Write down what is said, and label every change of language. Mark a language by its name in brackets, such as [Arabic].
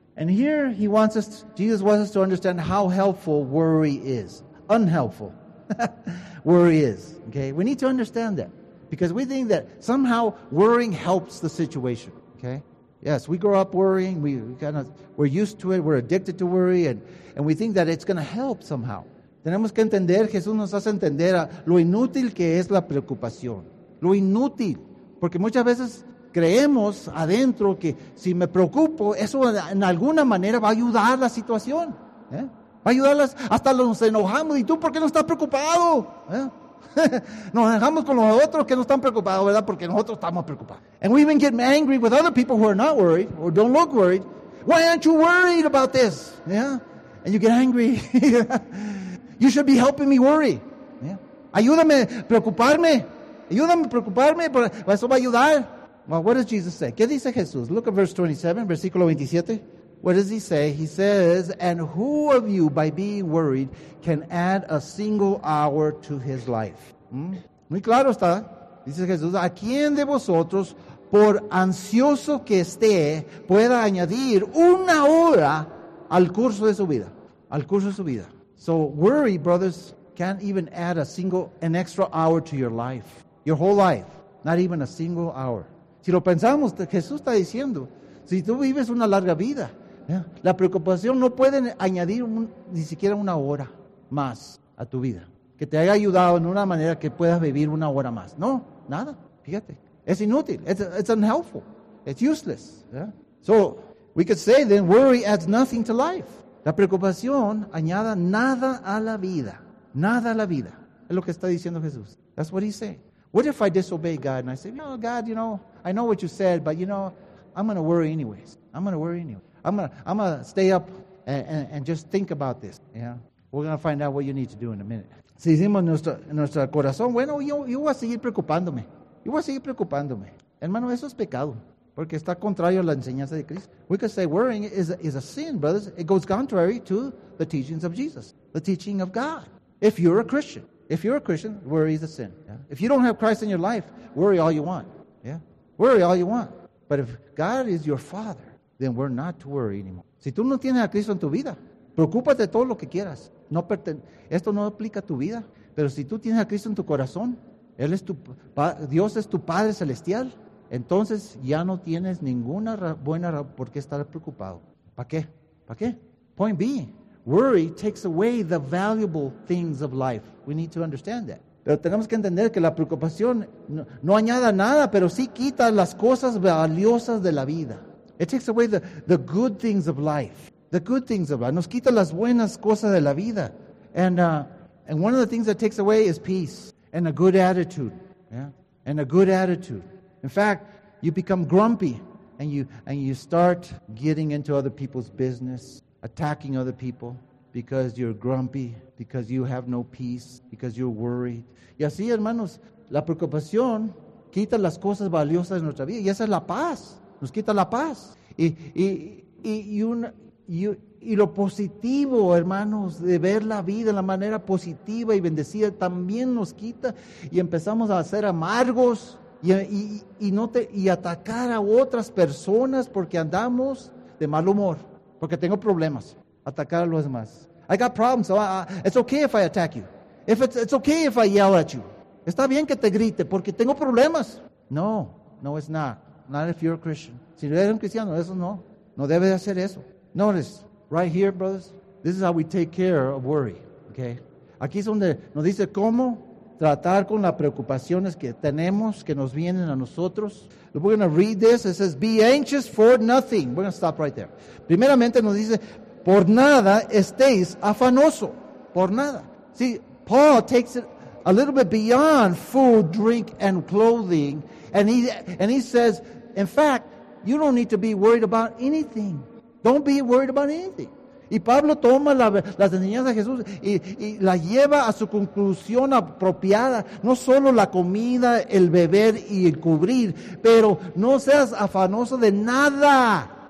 [English] And here he wants us, Jesus wants us to understand how helpful worry is. Unhelpful worry is. Okay, we need to understand that. Because we think that somehow worrying helps the situation. Okay? Yes, we grow up worrying. We're used to it. We're addicted to worry. And we think that it's going to help somehow. [Spanish] Tenemos que entender, Jesús nos hace entender lo inútil que es la preocupación. Lo inútil. Porque muchas veces creemos adentro que si me preocupo, eso en alguna manera va a ayudar la situación. Va a ayudarlas. Hasta nos enojamos. ¿Y tú por qué no estás preocupado? Nos enojamos con los otros que no están preocupados, ¿verdad? Porque nosotros estamos preocupados. [English] And we even get angry with other people who are not worried or don't look worried. Why aren't you worried about this? And you get angry. You should be helping me worry. [Spanish] Ayúdame a preocuparme. Ayúdame a preocuparme. Eso va a ayudar. [English] Well, what does Jesus say? [Spanish] ¿Qué dice Jesús? [English] Look at verse 27, versículo 27. What does he say? He says, and who of you by being worried can add a single hour to his life? [Spanish] Muy claro está. Dice Jesús, ¿a quién de vosotros, por ansioso que esté, pueda añadir una hora al curso de su vida? Al curso de su vida. [English] So worry, brothers, can't even add an extra hour to your life. Your whole life. Not even a single hour. [Spanish] Si lo pensamos, Jesús está diciendo, si tú vives una larga vida, la preocupación no puede añadir ni siquiera una hora más a tu vida. Que te haya ayudado en una manera que puedas vivir una hora más. No, nada. Fíjate. Es inútil. [English] It's unhelpful. It's useless. Yeah? So we could say then worry adds nothing to life. [Spanish] La preocupación añada nada a la vida. Nada a la vida. Es lo que está diciendo Jesús. [English] That's what he's saying. What if I disobey God and I say, oh, God, you know, I know what you said, but, you know, I'm going to worry anyways. I'm going to worry anyways. I'm going to stay up and just think about this. Yeah. We're going to find out what you need to do in a minute. [Spanish] Si decimos nuestro corazón, bueno, yo voy a seguir preocupándome. Yo voy a seguir preocupándome. Hermano, eso es pecado. Porque está contrario a la enseñanza de Cristo. [English] We could say worrying is a sin, brothers. It goes contrary to the teachings of Jesus, the teaching of God. If you're a Christian, worry is a sin. Yeah. If you don't have Christ in your life, worry all you want. Yeah, worry all you want. But if God is your Father, then we're not to worry anymore. [Spanish] Si tú no tienes a Cristo en tu vida, Preocúpate de todo lo que quieras. No esto no aplica a tu vida. Pero si tú tienes a Cristo en tu corazón, Él es tu, Dios es tu Padre Celestial, entonces ya no tienes ninguna buena razón por qué estar preocupado. ¿Para qué? ¿Para qué? [English] Point B. Worry takes away the valuable things of life. We need to understand that. [Spanish] Pero tenemos que entender que la preocupación no añada nada, pero sí quita las cosas valiosas de la vida. [English] It takes away the good things of life. The good things of life. [Spanish] Nos quita las buenas cosas de la vida. [English] And one of the things that takes away is peace and a good attitude. Yeah? And a good attitude. In fact, you become grumpy and you start getting into other people's business, attacking other people because you're grumpy, because you have no peace, because you're worried. [Spanish] Y así, hermanos, la preocupación quita las cosas valiosas de nuestra vida. Y esa es la paz. Nos quita la paz. Y lo positivo, hermanos, de ver la vida de la manera positiva y bendecida también nos quita. Y empezamos a ser amargos y atacar a otras personas porque andamos de mal humor. Porque tengo problemas. Atacar a los demás. [English] I got problems, so it's okay if I attack you. It's okay if I yell at you. [Spanish] Está bien que te grite porque tengo problemas. [English] No, it's not. Not if you're a Christian. [Spanish] Si eres un cristiano, eso no. No debes hacer eso. [English] Notice, right here, brothers, this is how we take care of worry. Okay? [Spanish] Aquí es donde nos dice cómo tratar con las preocupaciones que tenemos, que nos vienen a nosotros. [English] We're going to read this. It says, be anxious for nothing. We're going to stop right there. [Spanish] Primeramente nos dice, por nada estéis afanoso. Por nada. [English] See, Paul takes it a little bit beyond food, drink, and clothing. And he says, in fact, you don't need to be worried about anything. Don't be worried about anything. [Spanish] Y Pablo toma las enseñanzas de Jesús y las lleva a su conclusión apropiada. No solo la comida, el beber y el cubrir, pero no seas afanoso de nada.